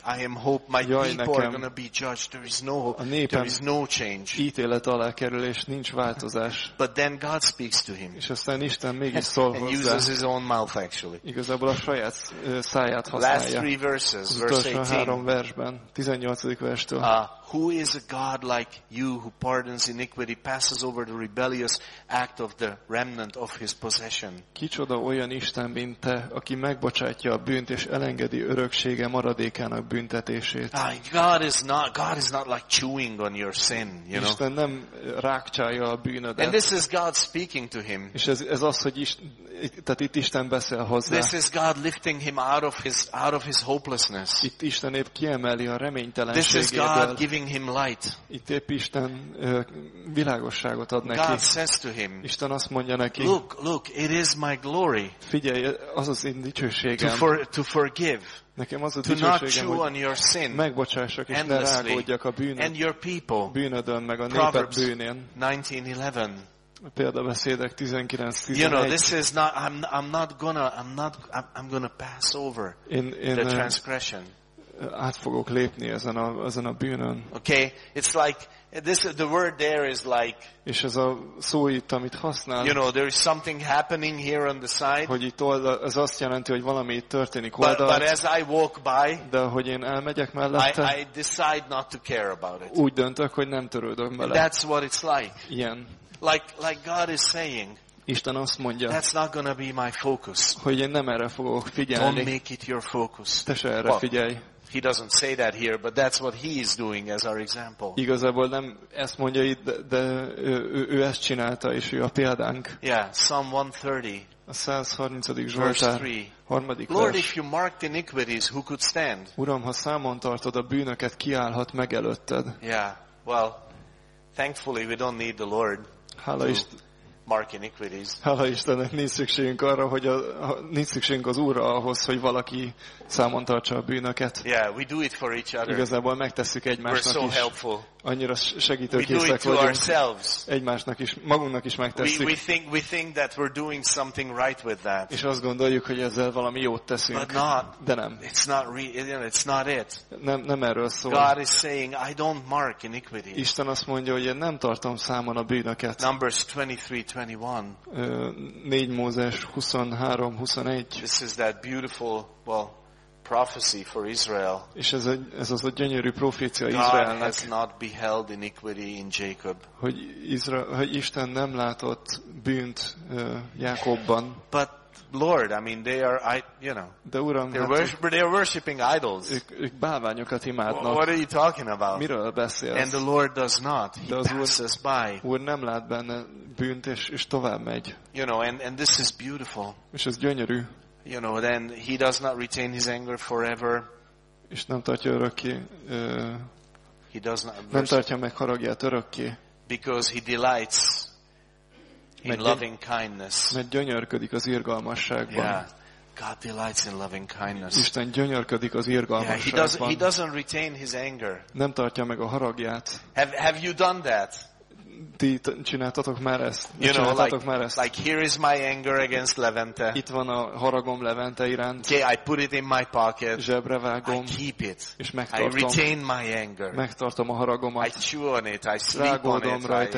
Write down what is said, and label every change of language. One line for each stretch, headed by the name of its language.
English: I am hope my people are going to be judged. There is no change.
Hungarian: Ítélet alá kerül és nincs változás.
English: But then God speaks to him.
Hungarian: És aztán Isten mégis szól hozzá.
English: And uses his own mouth actually.
Hungarian: Igazából a saját száját használja.
English: Last three verses, verse 18.
Hungarian: Három versben, 18. verstől.
English: Who is a God like you who pardons iniquity, passes over the rebellious act of the remnant of his possession?
Hungarian: Kicsoda olyan Isten, mint te, aki megbocsátja a bűnt és elengedi öröksége maradékának büntetését.
English: God is not like chewing on your sin, you know.
Hungarian: Isten nem rákcsálja a bűnödet.
English: And this is God speaking to him.
Hungarian: És ez az, hogy tehát itt Isten beszél hozzá.
English: This is God lifting him out of his hopelessness.
Hungarian: Itt Isten épp kiemeli a reménytelenségéből.
English: Giving him light.
Hungarian: Itt épp Isten világosságot ad neki.
English: God says to him.
Hungarian: Isten azt mondja neki.
English: Look, it is my glory.
Hungarian: Figyelj, az az én dicsőségem.
English: To forgive.
Hungarian: Nekem az a dicsőségem, megbocsássak és ne rágódjak a bűnödön.
English: And your people.
Hungarian: Bűnödön meg a néped bűnén.
English: 19:11.
Hungarian: Példabeszédek 19:11.
English: You know, this is not. I'm gonna pass over the transgression.
Hungarian: Át fogok lépni ezen a bűnön.
English: Okay, it's like this. The word there is like.
Hungarian: És ez a szó itt, amit használ.
English: You know, there is something happening here on the side.
Hungarian: Hogy itt ez azt jelenti, hogy valami itt történik oldalt.
English: But as I walk by.
Hungarian: De hogy én elmegyek mellette.
English: I decide not to care about it.
Hungarian: Úgy döntök, hogy nem törődöm bele.
English: That's what it's like.
Hungarian: Ilyen.
English: Like God is saying.
Hungarian: Isten azt mondja,
English: that's not gonna be my focus.
Hungarian: Hogy én nem erre fogok figyelni.
English: Don't make it your focus.
Hungarian: Te se erre figyelj.
English: He doesn't say that here, but that's what he is doing as our example.
Hungarian: Igazából nem ezt mondja itt, de ő ezt csinálta, és ő a példánk.
English: Yeah, Psalm 130.
Hungarian: A 130. Zsoltár.
English: Verse 3. Lord, if you marked iniquities, who could stand?
Hungarian: Uram, ha számon tartod a bűnöket, ki állhat meg előtted?
English: Yeah, well, thankfully we don't need the Lord.
Hungarian: Hála Isten.
English: Mark iniquities.
Hungarian: Hála Istennek, nincs szükségünk arra, hogy nincs szükségünk az Úrra ahhoz, hogy valaki számon tartsa a bűnöket.
English: Yeah, we do it for each other.
Hungarian: Igazából megtesszük egymásnak is.
English: We're so helpful.
Hungarian: Annyira segítőkészek vagyunk. Egymásnak is, magunknak is megtesszük.
English: We think that we're doing something right with that.
Hungarian: És azt gondoljuk, hogy ezzel valami jót teszünk.
English: But not,
Hungarian: de nem.
English: It's not it.
Hungarian: Nem erről szól.
English: God is saying, I don't mark iniquities.
Hungarian: Isten azt mondja, hogy én nem tartom számon a bűnöket.
English: Numbers 23:21.
Hungarian: 4 Mózes 23:21.
English: This is that beautiful, well, prophecy for Israel.
Hungarian: És ez az a gyönyörű profécia Izraelnek.
English: God has not beheld iniquity in Jacob.
Hungarian: Hogy Isten nem látott bűnt Jákobban.
English: But Lord, I mean they are, I, you know.
Hungarian: De Uram,
English: they're worshiping idols.
Hungarian: Ők bálványokat imádnak.
English: What are you talking about?
Hungarian: Miről beszélsz?
English: And the Lord does not. He passes by.
Hungarian: Úr nem lát benne bűnt és tovább megy.
English: You know, and this is beautiful.
Hungarian: És ez gyönyörű.
English: You know, then he does not retain his anger forever.
Hungarian: És nem tartja örökké.
English: He does not.
Hungarian: Nem tartja meg haragját örökké.
English: Because he delights in loving kindness.
Hungarian: Mert gyönyörködik az irgalmasságban.
English: Yeah, God delights in loving kindness.
Hungarian: Isten gyönyörködik az irgalmasságban.
English: Yeah, he doesn't retain his anger.
Hungarian: Nem tartja meg a haragját.
English: Have you done that?
Hungarian: Ti csináltatok már ezt?
English: You know, like here is my anger against Levente.
Hungarian: Itt van a haragom Levente iránt.
English: Okay, I put it in my pocket.
Hungarian: Zsebre vágom.
English: I keep it.
Hungarian: És megtartom.
English: I retain my anger.
Hungarian: Megtartom a haragomat.
English: I chew on it. I sleep
Hungarian: rágódom
English: on
Hungarian: rajta,